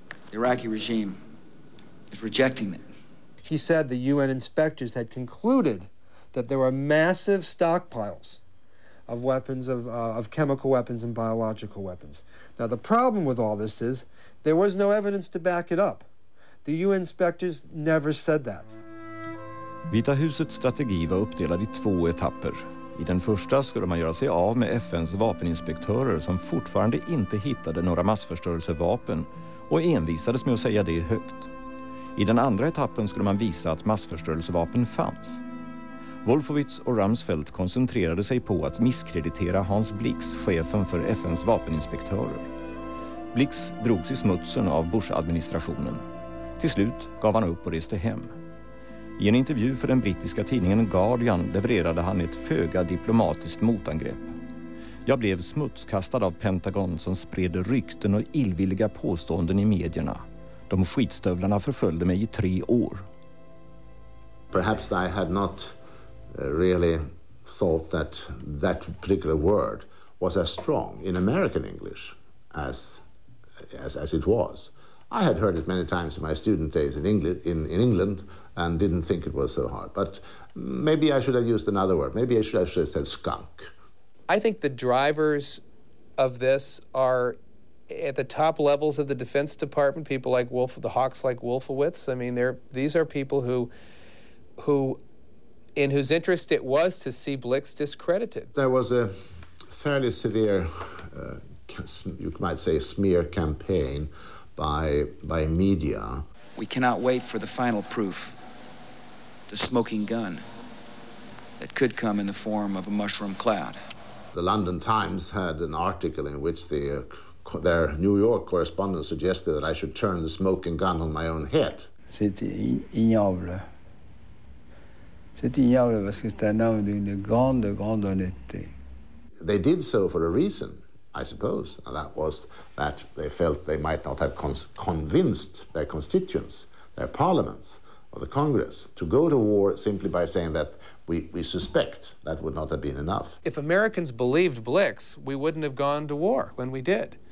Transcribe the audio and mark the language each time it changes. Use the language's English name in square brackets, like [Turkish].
[English] The Iraqi regime is rejecting it. He said the UN inspectors had concluded that there were massive stockpiles of weapons, of chemical weapons and biological weapons. Now, the problem with all this is there was no evidence to back it up. The UN inspectors never said that. [Swedish] Vita husets strategi var uppdelad i två etapper. I den första skulle man göra sig av med FN:s vapeninspektörer som fortfarande inte hittade några massförstörelsevapen och envisades med att säga det högt. I den andra etappen skulle man visa att massförstörelsevapen fanns. Wolfowitz och Rumsfeld koncentrerade sig på att misskreditera Hans Blix, chefen för FN:s vapeninspektörer. Blix drogs i smutsen av Bush-administrationen. Till slut gav han upp och reste hem. I en intervju för den brittiska tidningen Guardian levererade han ett föga diplomatiskt motangrepp. Jag blev smutskastad av Pentagon som spred rykten och illvilliga påståenden i medierna. De skitstövlarna förföljde mig i 3 år. [English] Perhaps I had not really thought that that particular word was as strong in American English as it was. I had heard it many times in my student days in England and didn't think it was so hard. But maybe I should have used another word. Maybe I should have said skunk. I think the drivers of this are at the top levels of the Defense Department, people like Wolfowitz. I mean, these are people who in whose interest it was to see Blix discredited. There was a fairly severe, you might say, smear campaign by media. We cannot wait for the final proof, the smoking gun, that could come in the form of a mushroom cloud. The London Times had an article in which their New York correspondent suggested that I should turn the smoking gun on my own head. [French] C'est ignoble parce que c'est un homme d'une grande, grande honnêteté. [English] They did so for a reason, I suppose, and that was that they felt they might not have convinced their constituents, their parliaments, or the Congress to go to war simply by saying that we suspect. That would not have been enough. If Americans believed Blix, we wouldn't have gone to war when we did.